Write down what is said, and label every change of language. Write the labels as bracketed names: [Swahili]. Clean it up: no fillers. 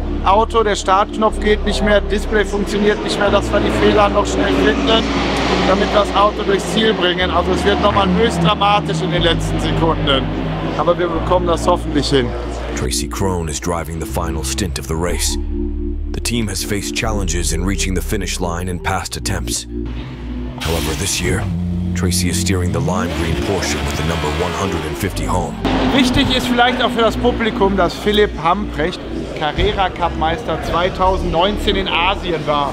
[German] Auto, der Startknopf geht nicht mehr, Display funktioniert nicht mehr, dass wir die Fehler noch schnell finden, damit wir das Auto durchs Ziel bringen. Also es wird nochmal höchst dramatisch in den letzten Sekunden. Aber wir bekommen das hoffentlich hin. [English] Tracy Krohn is driving the final stint of the race. The team has faced challenges in reaching the finish line in past attempts. However, this year, Tracy is steering the lime green Porsche with the number 150 home. [German] Wichtig ist vielleicht auch für das Publikum, dass Philipp Hamprecht Carrera Cup Meister 2019 in Asien war.